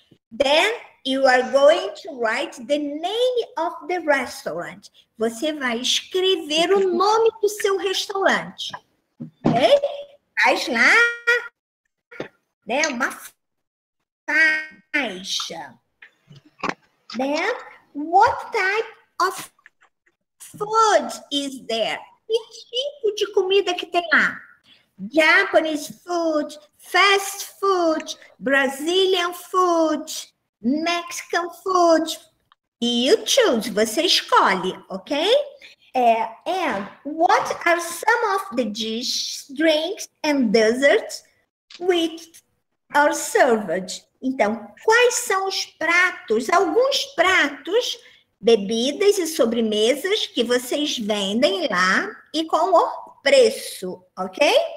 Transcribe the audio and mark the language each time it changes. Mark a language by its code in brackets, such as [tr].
[en] Then you are going to write the name of the restaurant. [pt] Você vai escrever o nome do seu restaurante. Ok? Faz lá, né, uma faixa. [en] Then, what type of food is there? [pt] Que tipo de comida que tem lá? [en] Japanese food, fast food, Brazilian food, Mexican food. You choose, [pt] você escolhe, [en] ok? And what are some of the dishes, drinks, and desserts which are served? [pt] Então, quais são os pratos, alguns pratos, bebidas e sobremesas que vocês vendem lá e com o preço, ok?